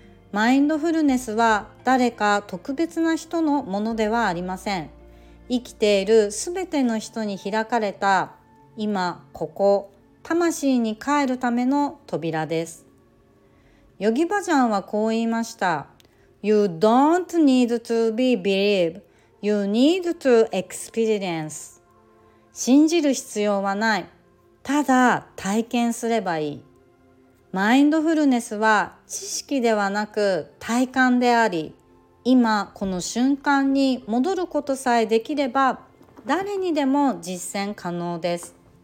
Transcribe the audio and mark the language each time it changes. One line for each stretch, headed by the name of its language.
Japanese: マインドフルネスは誰か特別な人のものではありません。生きているすべての人に開かれた今ここ魂に帰るための扉です。ヨギバジャンはこう言いました。
English: You don't need to be believe, you need to experience.
Japanese: 信じる必要はない、ただ体験すればいい。マインドフルネスは知識ではなく体感であり、今この瞬間に戻ることさえできれば誰にでも実践可能です。